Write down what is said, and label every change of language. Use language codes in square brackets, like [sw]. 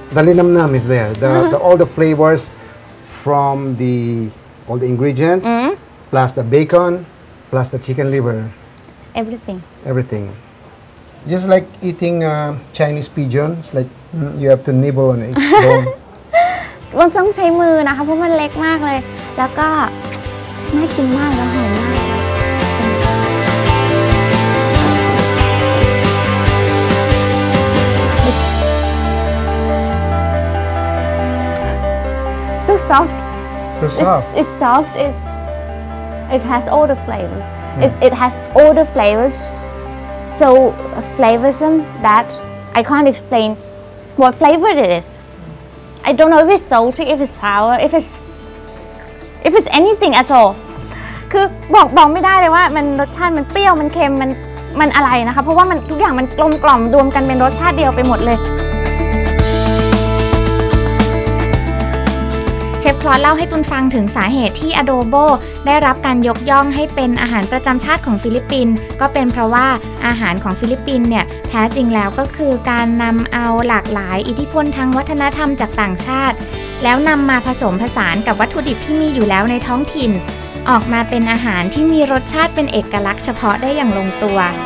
[en] The linamnam is there, all the flavors. From the all the ingredients plus the bacon plus the chicken liver everything just like eating Chinese pigeon it's like you have to nibble on each bone [th] มันต้องใช้มือนะคะเพราะมันเล็กมากเลยแล้วก็น่ากินมากแล้วหอมมาก [en] Soft. It's has all the flavors. It has all the flavors, so flavorsome that I can't explain what flavor it is. I don't know if it's salty, if it's sour, if it's anything at all. [th] คือบอกไม่ได้เลยว่ามันรสชาติมันเปรี้ยวมันเค็มมันอะไรนะคะเพราะว่ามันทุกอย่างมันกลมกล่อมรวมกันเป็นรสชาติเดียวไปหมดเลย เชฟ คลอสเล่าให้ตุนฟังถึงสาเหตุที่อโดโบได้รับการยกย่องให้เป็นอาหารประจำชาติของฟิลิปปินส์ก็เป็นเพราะว่าอาหารของฟิลิปปินส์เนี่ยแท้จริงแล้วก็คือการนำเอาหลากหลายอิทธิพลทางวัฒนธรรมจากต่างชาติแล้วนำมาผสมผสานกับวัตถุดิบที่มีอยู่แล้วในท้องถิ่นออกมาเป็นอาหารที่มีรสชาติเป็นเอกลักษณ์เฉพาะได้อย่างลงตัว